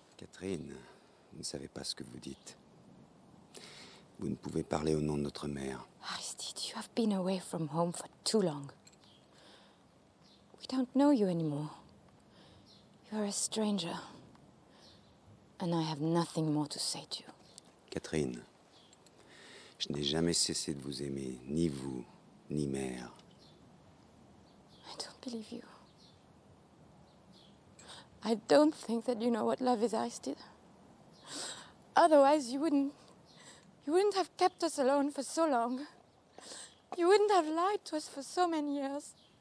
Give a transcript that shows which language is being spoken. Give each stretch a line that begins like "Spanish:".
French: Catherine, vous ne savez pas ce que vous dites. Vous ne pouvez parler au nom de notre mère.
English: Aristide, you have been away from home for too long. We don't know you anymore. You are a stranger. And I have nothing more to say to you.
French: Catherine, je n'ai jamais cessé de vous aimer, ni vous, ni mère.
English: I don't believe you. I don't think that you know what love is, Aristide. Otherwise, you wouldn't have kept us alone for so long. You wouldn't have lied to us for so many years.